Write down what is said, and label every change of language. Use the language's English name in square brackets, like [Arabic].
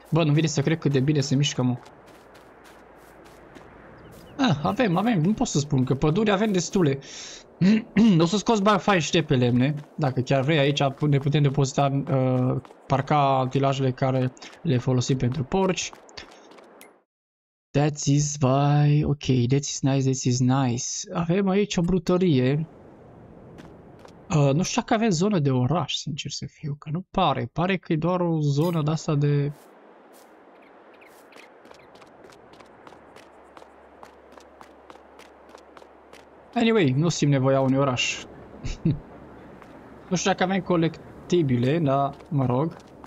[Romanian] Bă, nu vine să cred cât de bine se mișcă, mă. Ah, avem, nu pot să spun că păduri avem destule. O să scoți bani fain și de pe lemne, dacă chiar vrei aici ne putem depozita, parca utilajele care le folosim pentru porci. [English] That is why, ok, that is nice. [Romanian] Avem aici o brutărie. Nu știu dacă avem zonă de oraș, sincer să fiu, că nu pare. Pare că e doar o zonă de asta de... Anyway, nu simt nevoia unui oraș. Nu știu dacă avem colectibile, dar mă rog.